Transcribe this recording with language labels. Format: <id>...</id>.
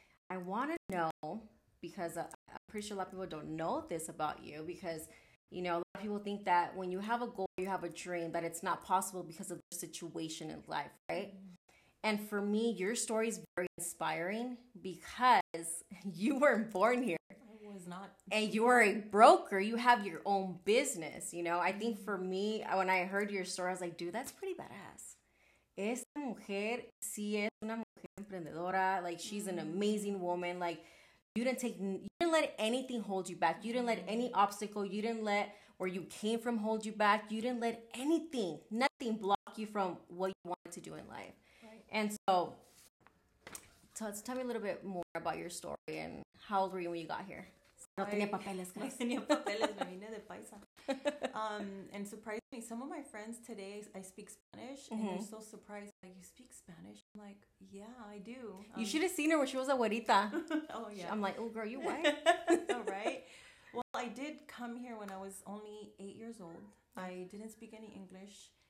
<en>I want to know, because I'm pretty sure a lot of people don't know this about you, because, you know, a lot of people think that when you have a goal, you have a dream, that it's not possible because of the situation in life, right? And for me, your story is very inspiring because you weren't born here. I was not. And you are a broker. You have your own business, you know. I think for me, when I heard your story, I was like, dude, that's pretty badass.</en> <es>Esta mujer sí es una mujer emprendedora.</es> <en>Like, she's an amazing woman. Like, you didn't let anything hold you back. You didn't let any obstacle. You didn't let where you came from hold you back. You didn't let anything, nothing block you from what you wanted to do in life. And so, tell me a little bit more about your story and how old were you when you got here?</en> <es>No tenía papeles, gracias. No tenía papeles, me vine de paisa.</es> <en>And surprisingly, some of my friends today, I speak Spanish, and they're so surprised. Like, you speak Spanish? I'm like, yeah, I do. You should have seen her when she was a güerita. Oh, yeah. I'm like, oh, girl, you white. All right. Well, I did come here when I was only 8 years old. I didn't speak any English.</en>